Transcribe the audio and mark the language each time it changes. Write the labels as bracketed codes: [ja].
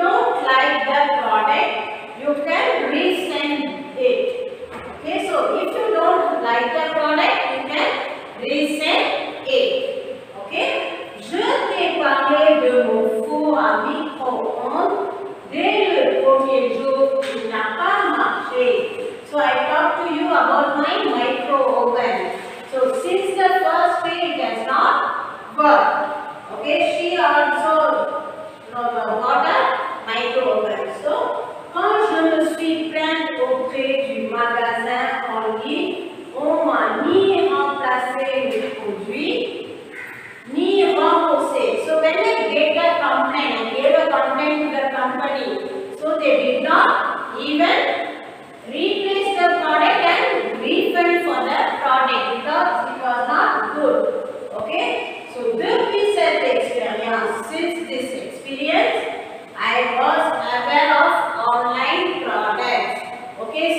[en] you can resend it. Okay, so if you don't like the product, you can resend it. [fr] Okay, je t'ai parlé de mon faux ami Hong. Dès le premier jour, il n'a pas marché. [en] So I talked to you about my micro oven. So since the first day it has not worked, okay, she also got a micro oven. [fr] So quand je me suis plaint auprès du magasin en ligne, on m'a ni remplacé le produit ni remboursé. [en] So when they get a complaint, I gave a complaint to the company. So they did not even replace the product and refund for the product because it was not good. Okay. So this is an experience. Since this experience, I was aware of online products. Okay.